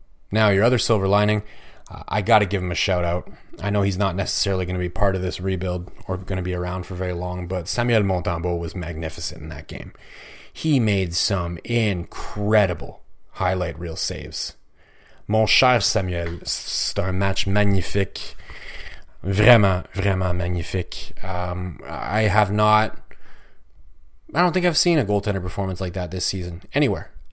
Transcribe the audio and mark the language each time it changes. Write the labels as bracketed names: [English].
[English] Now, your other silver lining, I got to give him a shout-out. I know he's not necessarily going to be part of this rebuild or going to be around for very long, but Samuel Montembeau was magnificent in that game. He made some incredible highlight reel saves. [French] Mon cher Samuel, c'est un match magnifique. Vraiment, vraiment magnifique. [English] I don't think I've seen a goaltender performance like that this season, anywhere.